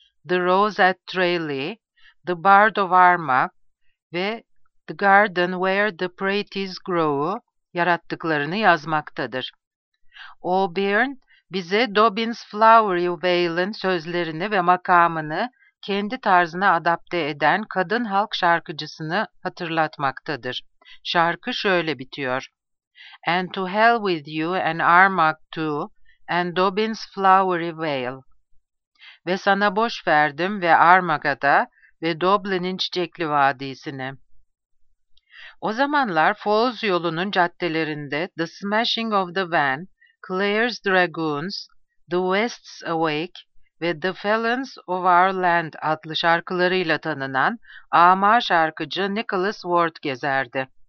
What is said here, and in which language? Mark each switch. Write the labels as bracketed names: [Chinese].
[Turkish] The Rose at Tralee, The Bard of Armagh ve The Garden Where the Pretties Grow'u yarattıklarını yazmaktadır. O'Byrne bize Dobbin's Flowery Vale'ın sözlerini ve makamını kendi tarzına adapte eden kadın halk şarkıcısını hatırlatmaktadır. Şarkı şöyle bitiyor. [English] And to hell with you and Armagh too and Dobbin's Flowery Vale. [Turkish] Ve sana boş verdim ve Armagh'a da ve Dublin'in çiçekli vadisini. O zamanlar Falls yolunun caddelerinde The Smashing of the Van, Clare's Dragoons, The West's Awake ve The Felons of Our Land adlı şarkılarıyla tanınan ama şarkıcı Nicholas Ward gezerdi.